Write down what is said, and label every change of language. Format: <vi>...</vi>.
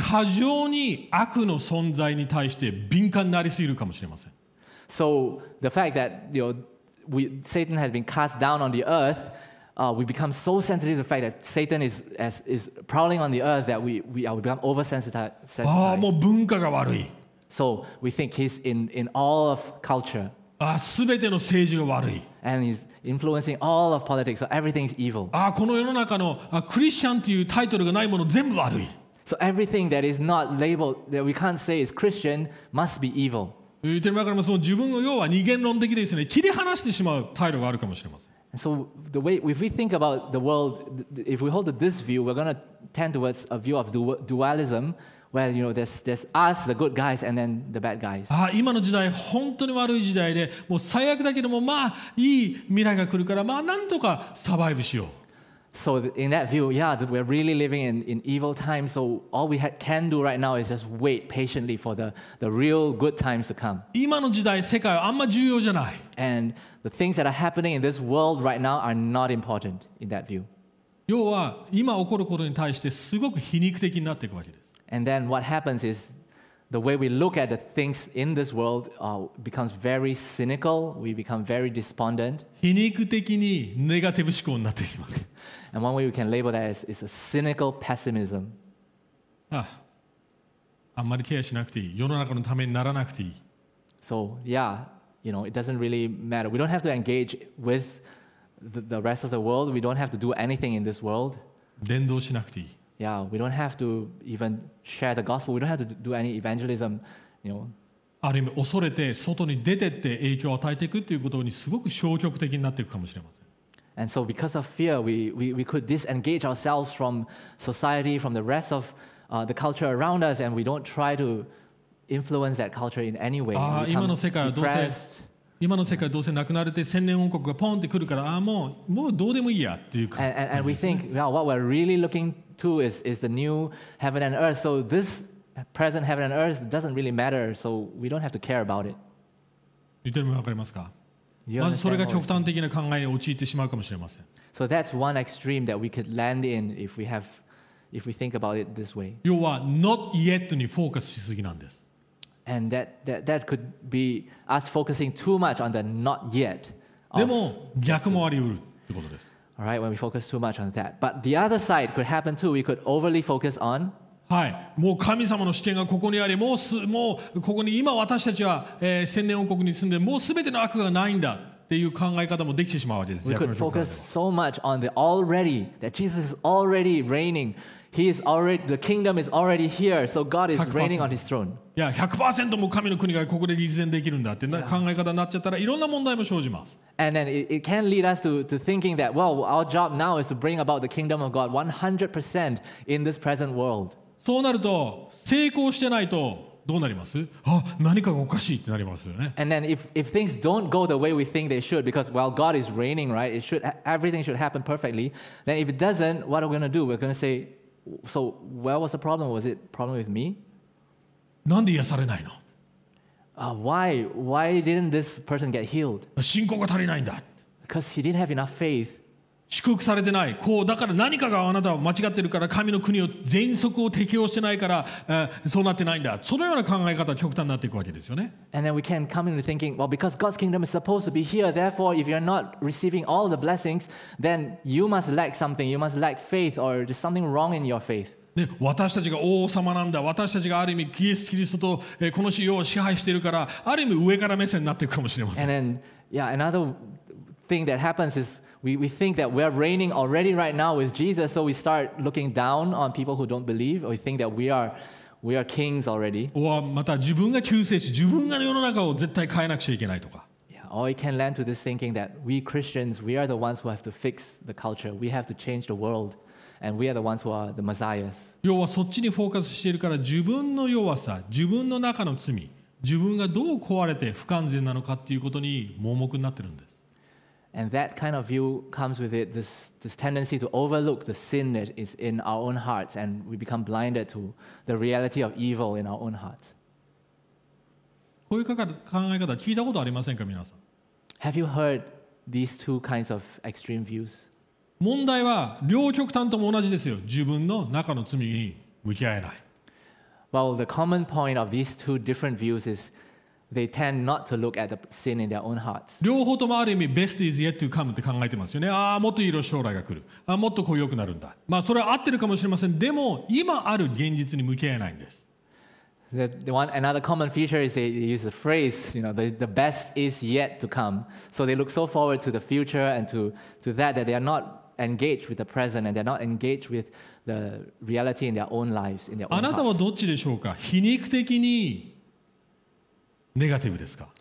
<ja>過剰に悪の存在に対して敏感になりすぎるかもしれません。</ja> <en>So the fact that you know Satan has been cast down on the earth. We become so sensitive to the fact that Satan is prowling on the earth that we become oversensitized.</en> <ja>ああ、もう文化が悪い。</ja> <en>So we think he's in all of culture.</en> <ja>ああ、すべての政治が悪い。</ja> <en>And he's influencing all of politics, so everything's evil.</en> <ja>ああ、この世の中のクリスチャンというタイトルがないもの全部悪い。</ja> <en>So everything that is not labeled, that we can't say is Christian, must be evil.</en> <ja>言ってみればその自分の要は二元論的ですね。切り離してしまう態度があるかもしれません。</ja> <en>So the way if we think about the world, if we hold this view, we're going to tend towards a view of dualism, where you know there's us, the good guys, and then the bad guys.</en> <ja>ああ、今の時代本当に悪い時代で、もう最悪だけどもまあいい未来が来るからまあなんとかサバイブしよう。</ja> <en>So in that view, yeah, we're really living in evil times. So all we can do right now is just wait patiently for the real good times to come.</en> <ja>今の時代、世界はあんま重要じゃない。</ja> <en>And the things that are happening in this world right now are not important in that view.</en> <ja>要は今起こることに対してすごく皮肉的になっていくわけです。</ja> <en>And then what happens is the way we look at the things in this world becomes very cynical. We become very despondent.</en> <ja>皮肉的にネガティブ思考になっていきます。</ja> <en>And one way we can label that is a cynical pessimism.</en> <ja>Ah, あんまりケアしなくていい。世の中のためにならなくていい。</ja> <en>So, yeah, you know, it doesn't really matter. We don't have to engage with the rest of the world, we don't have to do anything in this world.</en> <ja>伝道しなくていい。</ja> <en>Yeah, we don't have to even share the gospel. We don't have to do any evangelism, you know.</en> <ja>ある意味恐れて外に出てって影響を与えていくということにすごく消極的になっていくかもしれません。</ja> <en>And so because of fear, we could disengage ourselves from society, from the rest of the culture around us, and we don't try to influence that culture in any way.</en> <ja>ああ、今の世界はどうせ、今の世界はどうせなくなるって千年王国がポンって来るから、ああ、もうどうでもいいやっていう感じですね。</ja> <en>And we think, yeah, what we're really looking to is the new heaven and earth. So this present heaven and earth doesn't really matter, so we don't have to care about it.</en> <ja>言ってるの分かりますか？まずそれが極端的な考えに陥ってしまうかもしれません。</ja> <en>So that's one extreme that we could land in if we think about it this way.</en> <ja>要は</ja> <en>not yet</en> <ja>にフォーカスしすぎなんです。</ja> <en>And that could be us focusing too much on the not yet.</en> <ja>でも逆もあり得るってことです。</ja> <en>All right, when we focus too much on that. But the other side could happen too. We could overly focus on</en> <ja>はい、もう神様の視点がここにあり、もうここに今私たちは、千年王国に住んで、もうすべての悪がないんだっていう考え方もできてしまうわけです。</ja> <en>We could focus so much on the already that Jesus is already reigning. He is already the kingdom is already here. So God is reigning on His throne.</en> <ja>いや、100% も神の国がここで実現できるんだって考え方になっちゃったら、いろんな問題も生じます。</ja> <en>And then it can lead us to thinking that well, our job now is to bring about the kingdom of God 100% in this present world.</en> <ja>そうなると成功してないとどうなります？あ、何かがおかしいってなりますよね。</ja> <en>And then if things don't go the way we think they should, because while God is reigning, right, everything should happen perfectly. Then if it doesn't, what are we gonna do? We're gonna say, so where was the problem? Was it problem with me?</en> <ja>なんで癒されないの？</ja> <en>Why didn't this person get healed?</en> <ja>信仰が足りないんだ。</ja> <en>Because he didn't have enough faith.</en> <ja>祝福されてない。こうだから何かがあなたは間違ってるから神の国を全速を適用してないから、そうなってないんだ。そのような考え方は極端になっていくわけですよね。</ja> <en>And then we can come into thinking, well, because God's kingdom is supposed to be here, therefore, if you're not receiving all the blessings, then you must lack something. You must lack faith, or there's something wrong in your faith.</en> <ja>ね、私たちが王様なんだ、私たちがある意味イエス・キリストと、この世を支配しているから、ある意味上から目線になっていくかもしれません。</ja> <en>And then, yeah, another thing that happens is. We think that we are reigning already right now with Jesus, so we start looking down on people who don't believe. We think that we are kings already.</en> <ja>Or また自分が救世主、自分が世の中を絶対変えなくちゃいけないとか。</ja> <en>Yeah, or we can land to this thinking that we Christians, we are the ones who have to fix the culture. We have to change the world, and we are the ones who are the messiahs.</en> <ja>要はそっちにフォーカスしているから自分の弱さ、自分の中の罪、自分がどう壊れて不完全なのかっていうことに盲目になってるんです。</ja> <en>And that kind of view comes with it, this tendency to overlook the sin that is in our own hearts, and we become blinded to the reality of evil in our own hearts.</en> <ja>こういう考え方聞いたことありませんか、皆さん。</ja> <en>Have you heard these two kinds of extreme views?</en> <ja>問題は両極端とも同じですよ。自分の中の罪に向き合えない。</ja> <en>Well, the common point of these two different views is. They tend not to look at the sin in their own hearts.</en> <ja>両方ともある意味</ja> <en>best is yet to come</en> <ja>って考えてますよね。ああ、もっといい将来が来る。ああ、もっとこう良くなるんだ。まあ、それは合ってるかもしれません。でも、今ある現実に向き合えないんです。</ja> <en>Another common feature is they use the phrase, you know, the best is yet to come. So they look so forward to the future and to that they are not engaged with the present and they are not engaged with the reality in their own lives, in their own hearts.</en> <ja>あなたはどっちでしょうか？皮肉的にネガティブですか。</ja>